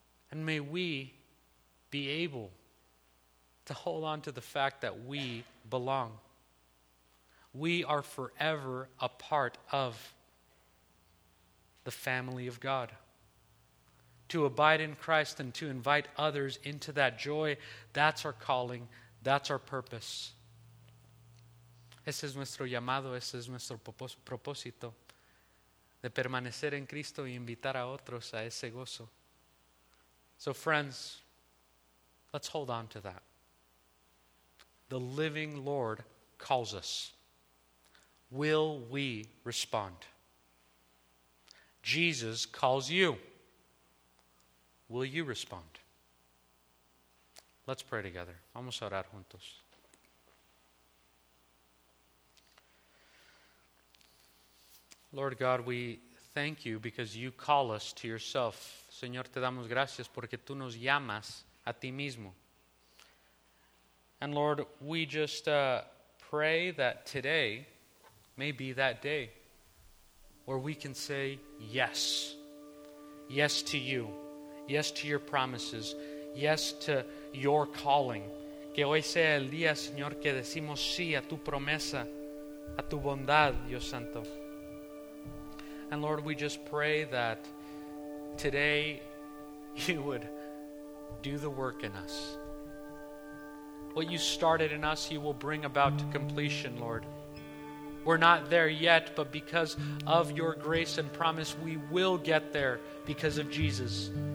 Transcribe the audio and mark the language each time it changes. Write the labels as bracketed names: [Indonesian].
[English] And may we be able to hold on to the fact that we belong. We are forever a part of the family of God. To abide in Christ and to invite others into that joy, that's our calling, that's our purpose. [Spanish] Ese es nuestro llamado, ese es nuestro propósito de permanecer en Cristo y invitar a otros a ese gozo. [English] So friends, let's hold on to that. The living Lord calls us. Will we respond? Jesus calls you. Will you respond? Let's pray together. [Spanish] Vamos a orar juntos. [English] Lord God, we thank you because you call us to yourself. [Spanish] Señor, te damos gracias porque tú nos llamas a ti mismo. [English] And Lord, we just pray that today may be that day where we can say yes. Yes to you. Yes to your promises. Yes to your calling. [Spanish] Que hoy sea el día, Señor, que decimos sí a tu promesa, a tu bondad, Dios Santo. [English] And Lord, we just pray that today you would do the work in us. What you started in us, you will bring about to completion, Lord. We're not there yet, but because of your grace and promise, we will get there because of Jesus.